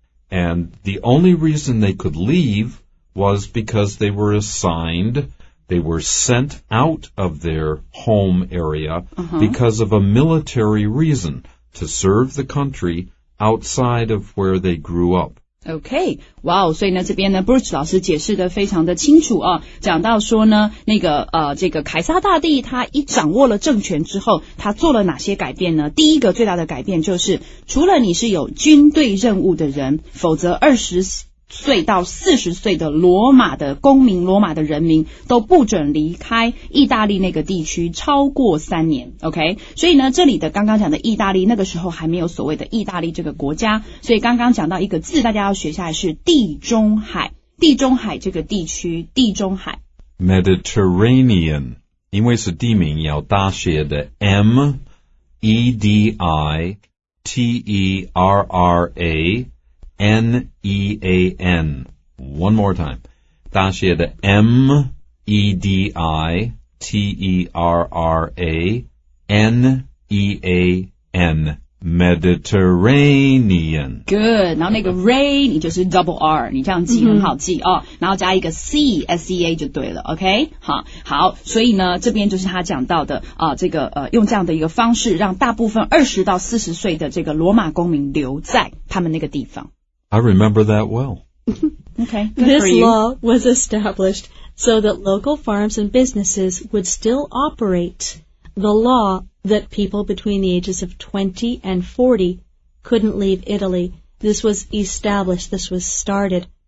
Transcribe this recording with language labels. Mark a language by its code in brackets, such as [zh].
[en] And the only reason they could leave was because they were assignedthey were sent out of their home area because of a military reason to serve the country outside of where they grew up. Okay, wow, [zh] 所以呢这边呢 Bruce 老师解释得非常的清楚啊，讲到说呢那个这个凯撒大帝他一掌握了政权之后他做了哪些改变呢，第一个最大的改变就是除了你是有军队任务的人，否则20岁到40岁的罗马的公民，罗马的人民都不准离开意大利那个地区超过3年。 OK， 所以呢，这里的刚刚讲的意大利，那个时候还没有所谓的意大利这个国家，所以刚刚讲到一个字，大家要学下来是地中海，地中海这个地区，地中海 Mediterranean， 因为是地名，要大写的 M E D I T E R R A。 [en] N-E-A-N. One more time. [zh] 大写的 M-E-D-I-T-E-R-R-A-N-E-A-N. [en] Mediterranean. Good. [zh] 然后那个 Ray, 你就是 [en] double R, [zh] 你这样记很好记、哦、然后加一个 C-S-E-A 就对了 ,OK? 好, 好所以呢这边就是他讲到的、这个用这样的一个方式让大部分20到40岁的这个罗马公民留在他们那个地方。 [en] I remember that well. Okay. This law was established so that local farms and businesses would still operate. The law that people between the ages of 20 and 40 couldn't leave Italy. This was established. This was started